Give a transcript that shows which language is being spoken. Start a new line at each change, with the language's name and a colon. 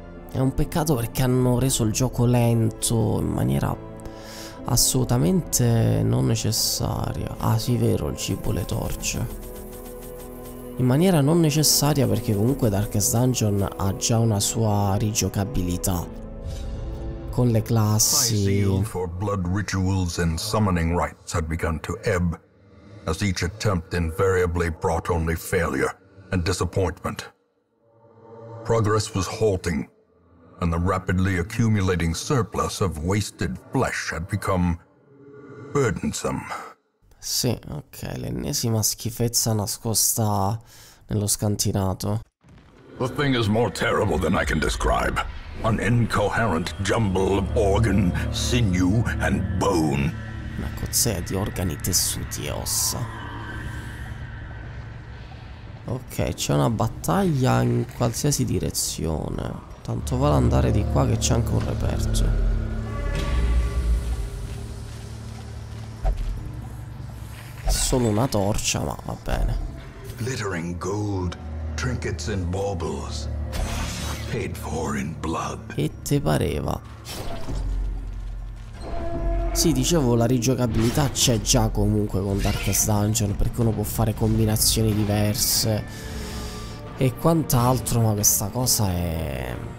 Italian: È un peccato perché hanno reso il gioco lento in maniera assolutamente non necessaria. Ah sì, vero, il cibo, le torce. In maniera non necessaria, perché comunque Darkest Dungeon ha già una sua rigiocabilità con le classi.
English: For blood rituals and summoning rites had begun to ebb, as each attempt invariably brought only failure and disappointment. Progress was halting, and the rapidly accumulating surplus of wasted flesh had become burdensome.
Italian: Sì, ok, l'ennesima schifezza nascosta nello scantinato.
English: The thing is more terrible than I can describe. An incoherent jumble of organ, sinew and bone.
Italian: Una cozzea di organi, tessuti e ossa. Ok, c'è una battaglia in qualsiasi direzione. Tanto vale andare di qua che c'è anche un reperto. Solo una torcia, ma va bene.
English: Glittering gold, trinkets and baubles, paid for in blood.
Italian: E te pareva? Sì, dicevo, la rigiocabilità c'è già comunque con Darkest Dungeon, perché uno può fare combinazioni diverse e quant'altro, ma questa cosa è...